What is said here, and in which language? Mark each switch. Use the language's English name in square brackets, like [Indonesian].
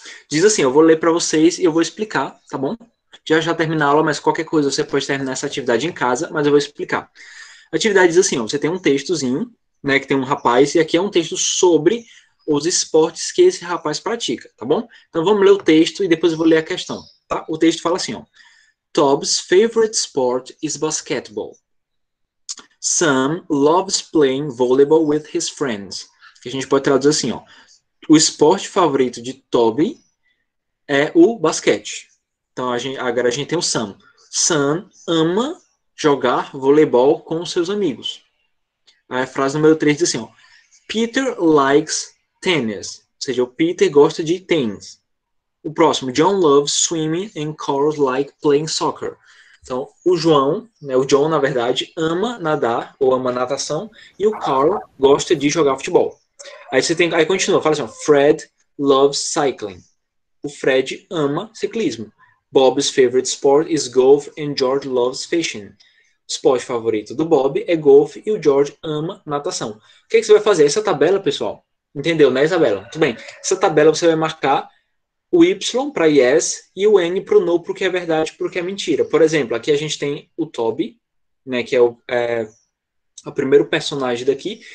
[Portuguese] Diz assim, eu vou ler pra vocês e eu vou explicar, tá bom? Já termina a aula, mas qualquer coisa você pode terminar essa atividade em casa, mas eu vou explicar. A atividade diz assim, ó, você tem um textozinho, né, que tem um rapaz, e aqui é um texto sobre os esportes que esse rapaz pratica, tá bom? Então vamos ler o texto e depois eu vou ler a questão. Tá? O texto fala assim, ó. [English] Tob's favorite sport is basketball. Sam loves playing volleyball with his friends. [Portuguese] Que a gente pode traduzir assim, ó. O esporte favorito de Toby é o basquete. Então, agora a gente tem o Sam. Sam ama jogar voleibol com seus amigos. Aí a frase número 3 diz assim, ó. [English] Peter likes tennis. [Portuguese] Ou seja, o Peter gosta de tênis. O próximo, [English] John loves swimming and Carl likes playing soccer. [Portuguese] Então, o João, né, o John, na verdade, ama nadar ou ama natação e o Carl gosta de jogar futebol. Aí você tem, aí continua, fala assim, [English] Fred loves cycling. [Portuguese] O Fred ama ciclismo. [English] Bob's favorite sport is golf and George loves fishing. [Portuguese] O esporte favorito do Bob é golfe e o George ama natação. O que, é que você vai fazer? Essa tabela, pessoal, entendeu, né, Isabela? Tudo bem. Essa tabela você vai marcar o Y para yes e o N para o no, porque é verdade, porque é mentira. Por exemplo, aqui a gente tem o Toby, né, que é o primeiro personagem daqui.